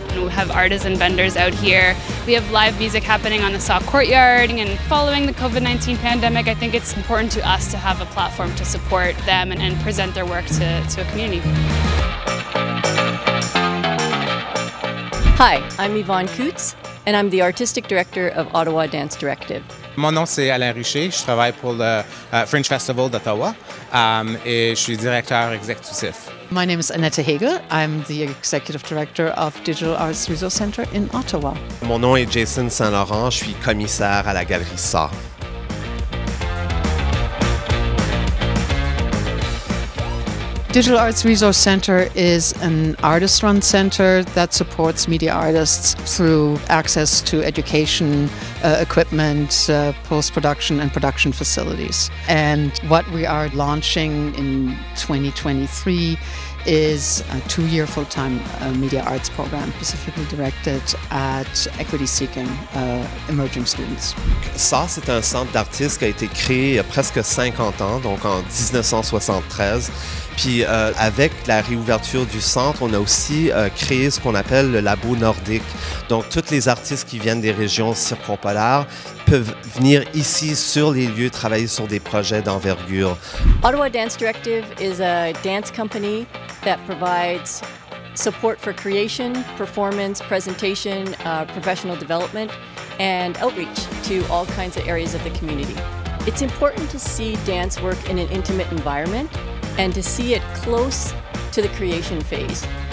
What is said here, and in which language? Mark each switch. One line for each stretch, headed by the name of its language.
English: And we have artists and vendors out here. We have live music happening on the Saw Courtyard, and following the COVID-19 pandemic, I think it's important to us to have a platform to support them and present their work to a community. Hi, I'm Yvonne Coutts, and I'm the Artistic Director of Ottawa Dance Directive.
French: Mon nom, c'est Alain Richer. Je travaille pour le Fringe Festival d'Ottawa, et je suis directeur exécutif.
English: My name is Annette Hegel. I'm the Executive Director of Digital Arts Resource Center in Ottawa.
French: Mon nom est Jason Saint-Laurent. Je suis commissaire à la Galerie SAW.
English: Digital Arts Resource Center is an artist-run center that supports media artists through access to education, equipment, post-production and production facilities. And what we are launching in 2023 is a two-year full-time media arts program specifically directed at equity-seeking emerging students.
French: SAW, c'est un centre d'artistes qui a été créé il y a presque 50 ans, donc en 1973. Puis avec la réouverture du centre, on a aussi créé ce qu'on appelle le labo nordique. Donc tous les artistes qui viennent des régions circumpolaires peuvent venir ici sur les lieux travailler sur des projets d'envergure.
English: Ottawa Dance Directive is a dance company that provides support for creation, performance, presentation, professional development and outreach to all kinds of areas of the community. It's important to see dance work in an intimate environment and to see it close to the creation phase.